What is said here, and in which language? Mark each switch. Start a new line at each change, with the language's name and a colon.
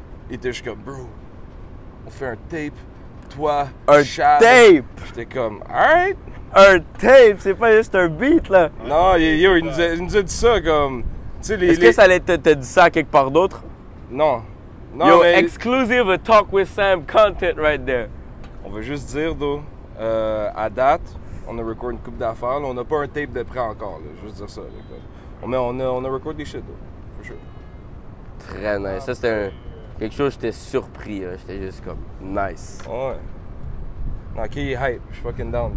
French: Il était juste comme, bro, on fait un tape. Toi, un Chab. Tape! J'étais comme, alright! Un tape, c'est pas juste un beat là! Non, yo, il nous a dit ça comme. Est-ce que ça allait te dire ça quelque part d'autre? Non. Non, yo, mais...
English: exclusive Talk with Sam content right there.
French: On veut juste dire, though, à date, on a record une couple d'affaires. Là, on n'a pas un tape de prêt encore. Là, juste dire ça. Là, mais on a record des shit, though.
English: For sure.
French: Très nice. Ça, c'était quelque chose, j'étais surpris. Là. J'étais juste comme, nice. Ouais. Ok, il est hype. Je suis fucking down.